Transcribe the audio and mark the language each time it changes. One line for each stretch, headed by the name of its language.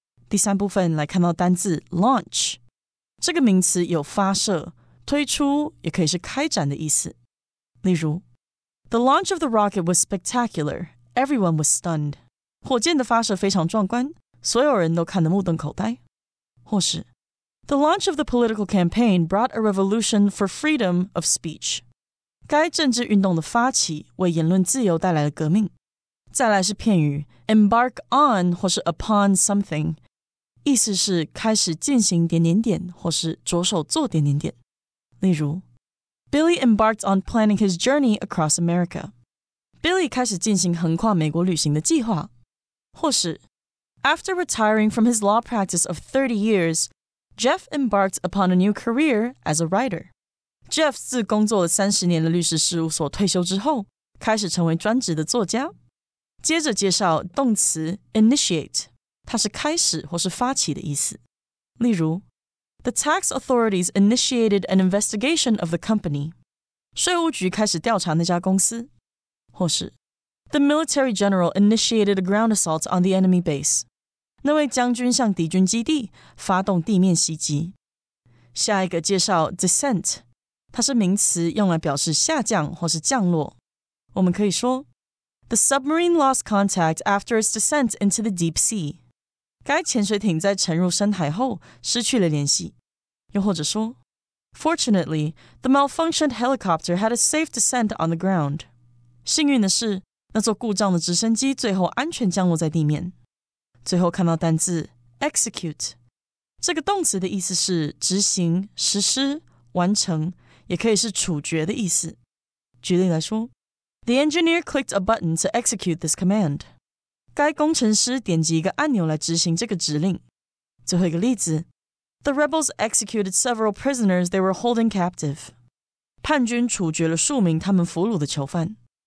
Chinese: 第三部分来看到单字 launch， 这个名词有发射、推出，也可以是开展的意思。例如
English: ，The launch of the rocket was spectacular. Everyone was stunned.
Chinese: 火箭的发射非常壮观，所有人都看得目瞪口呆。或是
English: ，The launch of the political campaign brought a revolution for freedom of speech.
Chinese: 该政治运动的发起为言论自由带来了革命。再来是片语 embark on 或是 upon something。意思是开始进行点点点或是着手做点点点。例如
English: Billy embarked on planning his journey across America.
Chinese: Billy 开始进行横跨美国旅行的计划。或是
English: After retiring from his law practice of 30 years, Jeff embarked upon a new career as a writer.
Chinese: Jeff 自工作了30年的律师事务所退休之后开始成为专职的作家。接着介绍动词 initiate。它是开始或是发起的意思。例如
English: ,The tax authorities initiated an investigation of the company.
Chinese: 税务局开始调查那家公司。或是
English: ,The military general initiated a ground assault on the enemy base.
Chinese: 那位将军向敌军基地发动地面袭击。下一个介绍 descent, 它是名词用来表示下降或是降落。我们可以说
English: ,The submarine lost contact after its descent into the deep sea.
Chinese: 该潜水艇在沉入深海后失去了联系。又或者说
English: Fortunately, the malfunctioned helicopter had a safe descent on the ground.
Chinese: 幸运的是那座故障的直升机最后安全降落在地面。最后看到单字 execute。这个动词的意思是执行、实施、完成，也可以是处决的意思。举例来说
English: The engineer clicked a button to execute this command.
Chinese: 该工程师点击一个按钮来执行这个指令。最后一个例子
English: ,The rebels executed several prisoners they were holding captive.
Chinese: 叛军处决了数名他们俘虏的囚犯。